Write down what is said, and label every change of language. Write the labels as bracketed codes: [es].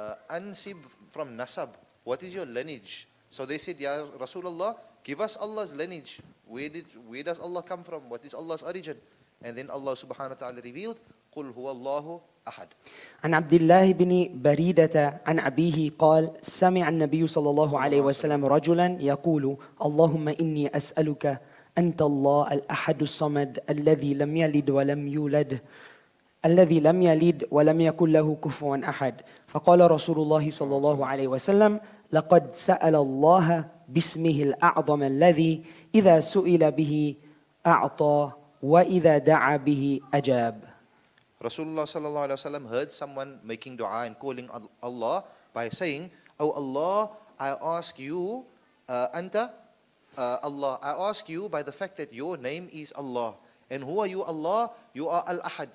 [en] أنسب from نسب what is your lineage so they said يا رسول الله give us Allah's lineage where does Allah come from what is Allah's origin and then Allah سبحانه وتعالى revealed قل هو الله أحد [ar] عن عبد الله بن بريدة عن أبيه قال سمع النبي صلى الله عليه وسلم رجلا يقول اللهم إني أسألك أنت الله الأحد الصمد الذي لم يلد ولم يولد الذي لم يلد ولم يكن له كفوا أحد فقال رسول الله صلى الله عليه وسلم لقد سأل الله باسمه الأعظم الذي إذا سئل به أعطى وإذا دعا به أجاب [en] Rasulullah sallallahu alaihi wasallam heard someone making dua and calling Allah by saying, "Oh Allah, I ask you, Allah, I ask you by the fact that your name is Allah, and who are you, Allah? You are Al Ahad.